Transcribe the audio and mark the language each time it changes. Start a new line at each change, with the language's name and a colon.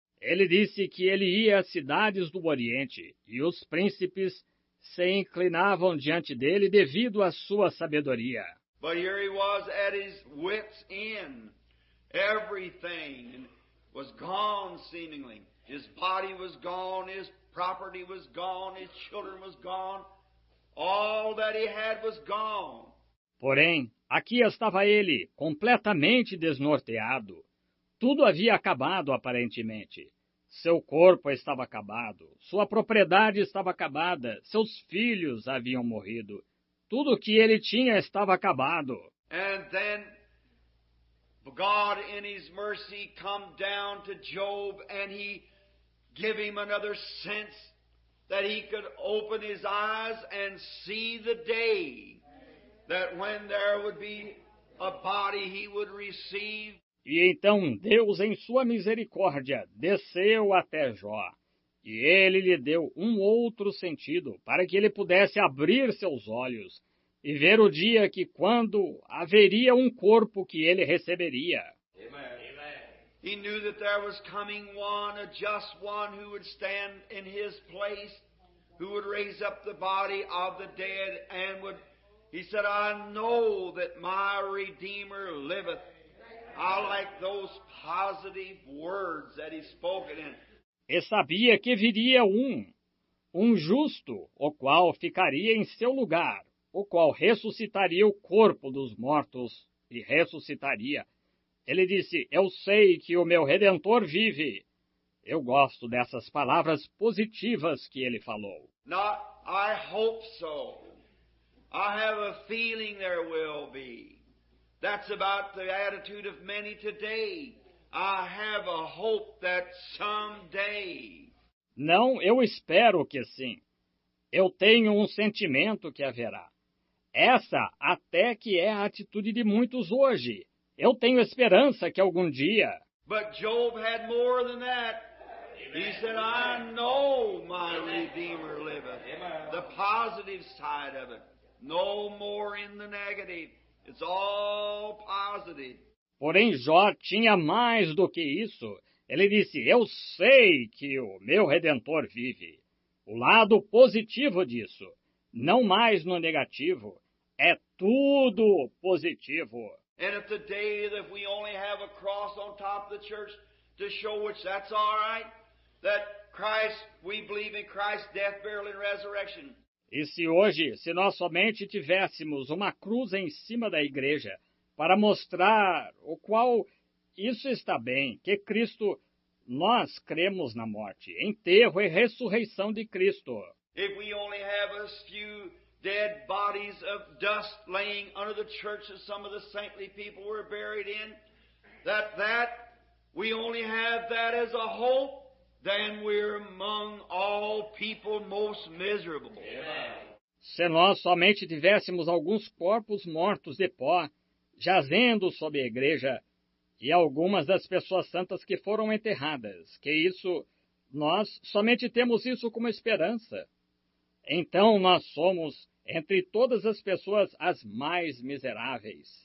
Portuguese: Ele disse que ele ia às cidades do Oriente, e os príncipes se inclinavam diante dele devido à sua sabedoria.
English: But here he was at his wit's end. Everything was gone seemingly. His body was gone, his property was gone, his children was gone. All that he had was gone.
Portuguese: Porém, aqui estava ele, completamente desnorteado. Tudo havia acabado aparentemente. Seu corpo estava acabado, sua propriedade estava acabada, seus filhos haviam morrido. Tudo o que ele tinha estava acabado.
English: And then God in his mercy come down to Job and he give him another sense that he could open his eyes and see the day that when there would be a body he would receive.
Portuguese: E então Deus em sua misericórdia desceu até Jó. E ele lhe deu um outro sentido para que ele pudesse abrir seus olhos e ver o dia que quando haveria um corpo que ele receberia.
English: He knew that there was coming one, a just one, who would stand in his place, who would raise up the body of the dead, and would, he said, I know that my Redeemer liveth. I like those positive words that he spoke in.
Portuguese: E sabia que viria um justo, o qual ficaria em seu lugar, o qual ressuscitaria o corpo dos mortos e ressuscitaria. Ele disse, eu sei que o meu Redentor vive. Eu gosto dessas palavras positivas que ele falou.
English: Not, I hope so. I have a feeling there will be. That's about the attitude of many today. I have a hope that someday.
Portuguese: Não, eu espero que sim. Eu tenho um sentimento que haverá. Essa até que é a atitude de muitos hoje. Eu tenho esperança que algum dia.
English: But Job had more than that. Amen. He said, I know my Redeemer liveth. The positive side of it. No more in the negative. It's all positive.
Portuguese: Porém, Jó tinha mais do que isso. Ele disse, eu sei que o meu Redentor vive. O lado positivo disso, não mais no negativo, é tudo positivo.
English: And if the day that we only have a cross on top of the church to show which that's all right, that Christ, we believe in Christ's death, burial, and resurrection.
Portuguese: E se hoje, se nós somente tivéssemos uma cruz em cima da igreja para mostrar o qual isso está bem, que Cristo, nós cremos na morte, enterro e ressurreição de Cristo.
English: If we only have a few dead bodies of dust laying under the church that some of the saintly people were buried in, that we only have that as a hope, then we're among all people most miserable.
Portuguese: Se nós somente tivéssemos alguns corpos mortos de pó, jazendo sob a igreja, e algumas das pessoas santas que foram enterradas, que isso, nós somente temos isso como esperança. Então nós somos, entre todas as pessoas, as mais miseráveis.